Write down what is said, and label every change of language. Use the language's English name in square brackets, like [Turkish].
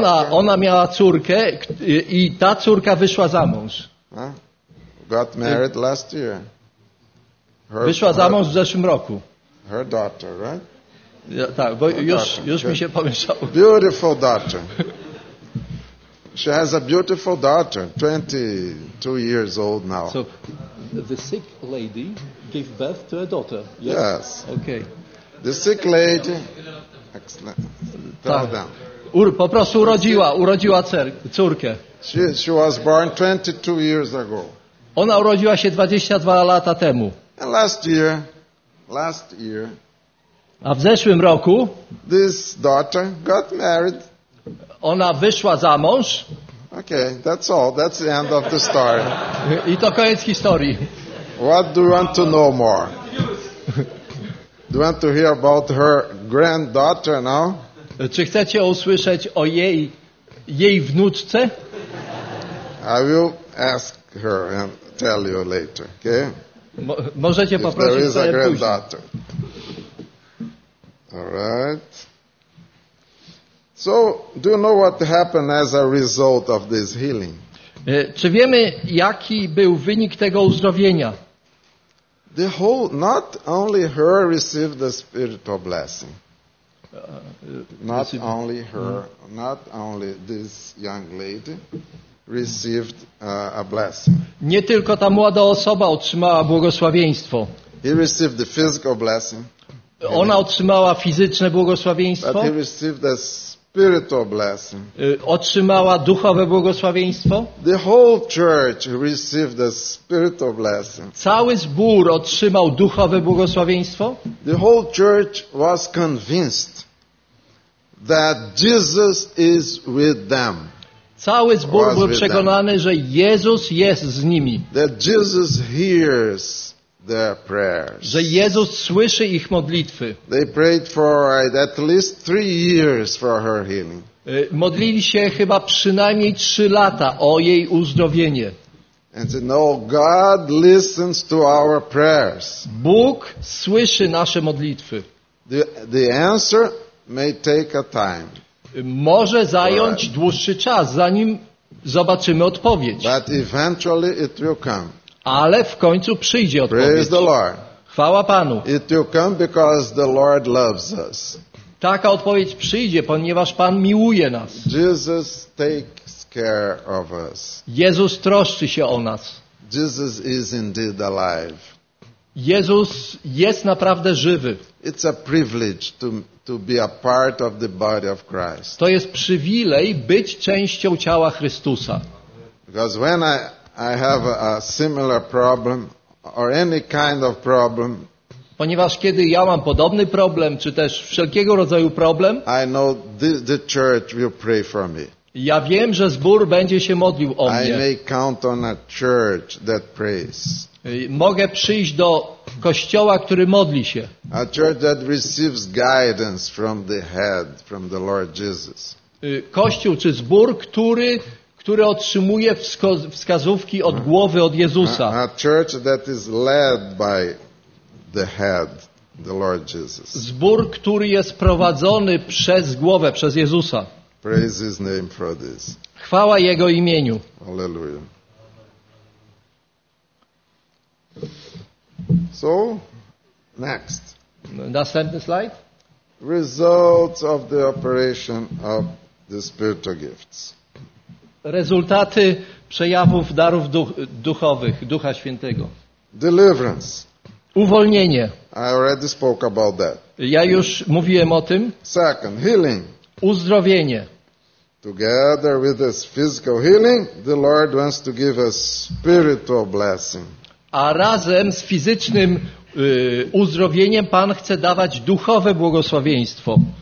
[Polish] Ona miała córkę i ta córka wyszła za mąż. [English] Got married last year. [Polish] Wyszła za mąż w zeszłym roku. [English] Her daughter, right? [Polish] Ja, tak, bo już mi się pomieszało. [English] Beautiful daughter. She has a beautiful daughter, 22 years old now. So, the sick lady gave birth to a daughter. Yes. Yes. Okay. The sick lady. Excellent. [Polish] Tak. [English] Down. [Polish] Po prostu urodziła córkę. [English] She was born 22 years ago. [Polish] Ona urodziła się 22 lata temu. [English] And last year. [Polish] A w zeszłym roku [English] this daughter got married. [Polish] Ona wyszła za mąż. [English] Okay, that's all. That's the end of the story. [Polish] I to koniec historii. [English] What do you want to know more? Do you want to hear about her granddaughter now? [Polish] Czy chcecie usłyszeć o jej wnuczce? [English] I will ask her and tell you later. Okay? [Polish] Możecie poprosić sobie później. [English] There is a granddaughter. All right. So, do you know what happened as a result of this healing? [Polish] Czy wiemy, jaki był wynik tego uzdrowienia? [English] The whole, not only her received the spiritual blessing. Not only her, not only this young lady received a blessing. [Polish] Nie tylko ta młoda osoba otrzymała błogosławieństwo. [English] He received the physical blessing. [Polish] Ona otrzymała fizyczne błogosławieństwo. [English] But he received the spiritual blessing. [Polish] Otrzymała duchowe błogosławieństwo. [English] The whole church received the spiritual blessing. [Polish] Cały zbór otrzymał duchowe błogosławieństwo. [English] The whole church was convinced that Jesus is with them. [Polish] Cały zbór był przekonany, że Jezus jest z nimi. [English] That Jesus hears their prayers. [Polish] Że Jezus słyszy ich modlitwy. [English] They prayed for at least 3 years for her healing. [Polish] Modlili się chyba przynajmniej 3 lata o jej uzdrowienie. [English] And said, no, God listens to our prayers. [Polish] Bóg słyszy nasze modlitwy. [English] The answer may take a time. [Polish] Może zająć dłuższy czas, zanim zobaczymy odpowiedź. [English] But eventually it will come. [Polish] Ale w końcu przyjdzie odpowiedź. [English] Praise the Lord. [Polish] Chwała Panu. [English] It will come because the Lord loves us. [Polish] Taka odpowiedź przyjdzie, ponieważ Pan miłuje nas. [English] Jesus takes care of us. [Polish] Jezus troszczy się o nas. [English] Jesus is indeed alive. [Polish] Jezus jest naprawdę żywy. [English] It's a privilege to be a part of the body of Christ. [Polish] To jest przywilej być częścią ciała Chrystusa. [English] Because when I have a similar problem or any kind of problem, [Polish] ponieważ kiedy ja mam podobny problem czy też wszelkiego rodzaju problem, [English] I know the church will pray for me. [Polish] Ja wiem, że zbór będzie się modlił o mnie. [English] I may count on a church that prays. [Polish] Mogę przyjść do kościoła, który modli się. [English] A church that receives guidance from the head, from the Lord Jesus. [Polish] Kościół czy zbór, który otrzymuje wskazówki od głowy, od Jezusa. [English] A church that is led by the head, the Lord Jesus. [Polish] Zbór, który jest prowadzony przez głowę, przez Jezusa. [English] Praise his name for this. [Polish] Chwała Jego imieniu. [English] Hallelujah. So, next. [Polish] Następny slajd. [English] Results of the operation of the spiritual gifts. [Polish] Rezultaty przejawów darów duchowych, Ducha Świętego. [English] Deliverance. [Polish] Uwolnienie. [English] I already spoke about that. [Polish] Ja już mówiłem o tym. [English] Second, healing. [Polish] Uzdrowienie. [English] Together with this physical healing, the Lord wants to give us spiritual blessing. [Polish] A razem z fizycznym uzdrowieniem Pan chce dawać duchowe błogosławieństwo.